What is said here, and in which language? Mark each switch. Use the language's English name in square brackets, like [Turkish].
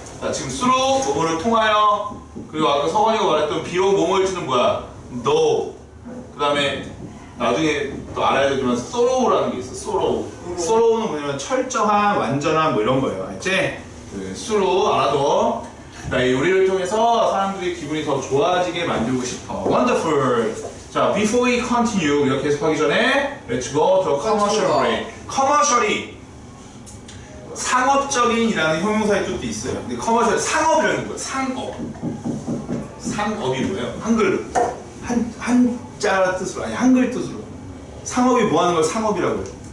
[Korean] 자, 지금 수루 뭐뭐를 통하여, 그리고 아까 서원이가 말했던 비록 뭐뭐일지는 뭐야? 너. 그 다음에 나중에 또 알아야 되지만 소로우라는 게 있어. 소로우. 소로우는 뭐냐면 철저한, 완전한 뭐 이런 거예요. 알지? 수로 알아둬. 나 이 요리를 통해서 사람들이 기분이 더 좋아지게 만들고 싶어. [English] Wonderful. 자, before we continue, [Korean] 이렇게 계속하기 전에 [English] Let's go to commercial break. [Korean] Commercially 상업적인이라는 형용사의 뜻도 있어요. 근데 commercial 상업이라는 거예요. 상업. 상업이 뭐예요? 한글로 한자 뜻으로, 아니 한글 뜻으로. 상업이 뭐 하는 걸 상업이라고 해요?